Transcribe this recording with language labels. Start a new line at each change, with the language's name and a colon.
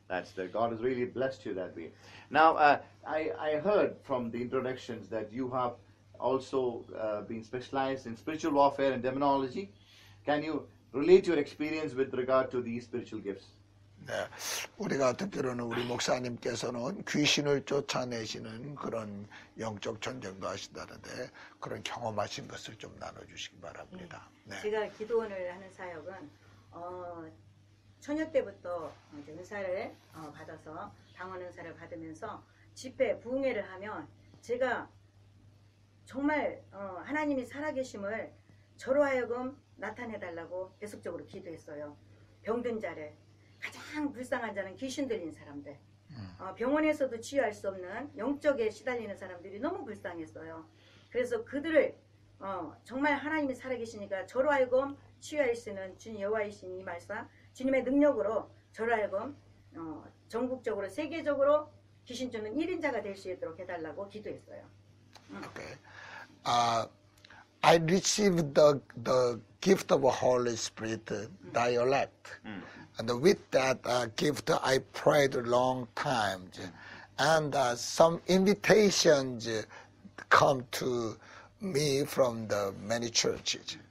English: That's the God has really blessed you that way. Now, I heard from the introductions that you have also been specialized in spiritual warfare and demonology. Can you relate your experience with regard to these spiritual gifts?
Korean: 네, 우리가 특별히는 우리 목사님께서는 귀신을 쫓아내시는 그런 영적 전쟁도 하신다는데 그런 경험하신 것을 좀 나눠주시기 바랍니다. 네. 제가 기도원을 하는 사역은 처녀 때부터 이제 은사를 받아서 방언 은사를 받으면서 집회 부흥회를 하면 제가 정말 하나님이 살아계심을 저로 하여금 나타내달라고 계속적으로 기도했어요. 병든 자를 가장 불쌍한 자는 귀신 들린 사람들. 병원에서도 치유할 수 없는 영적에 시달리는 사람들이 너무 불쌍했어요. 그래서 그들을 정말 하나님이 살아계시니까 저로 하여금 치유할 수 있는 주님 여호와이신 이 말씀, 주님의 능력으로 저로 하여금 전국적으로 세계적으로 귀신 쫓는 1인자가 될 수 있도록 해달라고 기도했어요.
English: Okay. I received the gift of Holy Spirit dialect. And with that gift, I prayed long times, and some invitations come to me from the many churches.